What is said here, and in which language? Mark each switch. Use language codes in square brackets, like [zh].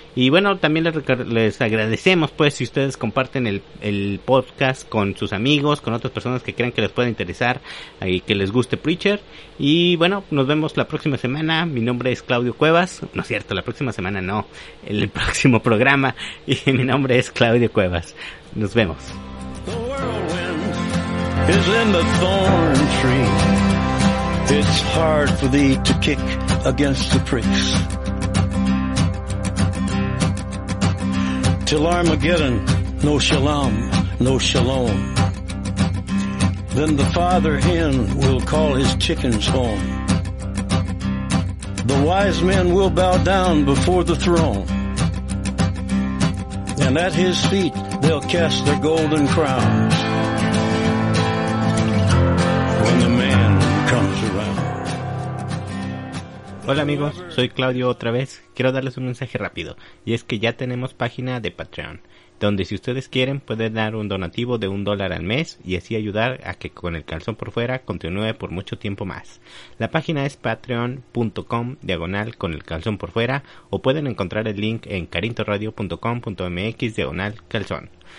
[es] Y bueno, también les agradecemos pues si ustedes comparten el podcast con sus amigos, con otras personas que crean que les pueda interesar y que les guste Preacher. Y bueno, nos vemos la próxima semana. Mi nombre es Claudio Cuevas. No es cierto, la próxima semana no. El próximo programa. Y mi nombre es Claudio Cuevas. Nos vemos. [en] The whirlwind is in the thorn tree. It's hard for thee to kick against the pricks. Till Armageddon, no shalom, no shalom. Then the father hen will call his chickens home. The wise men will bow down before the throne. And at his feet they'll cast their golden crowns. When the man comes around. [es] Hola amigos, soy Claudio otra vez. Quiero darles un mensaje rápido. Y es que ya tenemos página de Patreon, donde si ustedes quieren pueden dar un donativo de $1 al mes y así ayudar a que Con el Calzón por Fuera continúe por mucho tiempo más. La página es patreon.com/conelcalzonporfuera o pueden encontrar el link en carintoradio.com.mx/calzón.